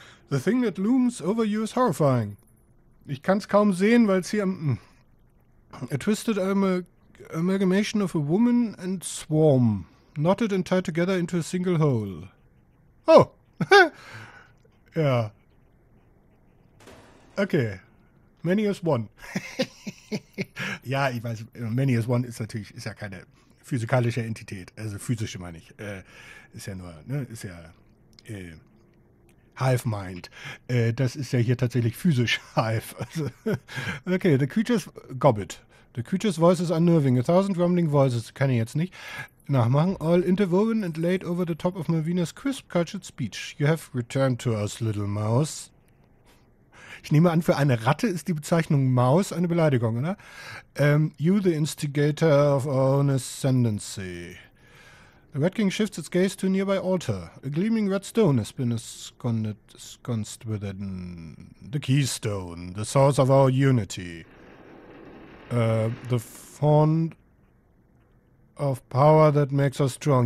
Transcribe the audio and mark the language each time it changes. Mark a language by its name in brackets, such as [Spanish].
[English] The thing that looms over you is horrifying. [German] Ich kann's kaum sehen, weil es hier am... [English] A twisted amalgamation of a woman and swarm. Knotted and tied together into a single hole. [German] Oh! Ja. [English] Okay. Many as one. [German] Ja, ich weiß. [English] Many as one [German] ist natürlich... Ist ja keine physikalische Entität. Also physische meine ich. Ist ja nur... Ne, ist ja... Hive Mind. Das ist ja hier tatsächlich physisch Hive. Also, okay, [English] the creatures... [German] Gobbit. [English] The creature's voice is unnerving. A thousand rumbling voices. [German] Kann ich jetzt nicht nachmachen. [English] All interwoven and laid over the top of Malvinas crisp, cultured speech. You have returned to us, little mouse. [German] Ich nehme an, für eine Ratte ist die Bezeichnung Maus eine Beleidigung, oder? [English] You, the instigator of our own ascendancy. The Red King shifts its gaze to a nearby altar. A gleaming red stone has been ensconced within the keystone, the source of our unity. The font of power that makes us strong.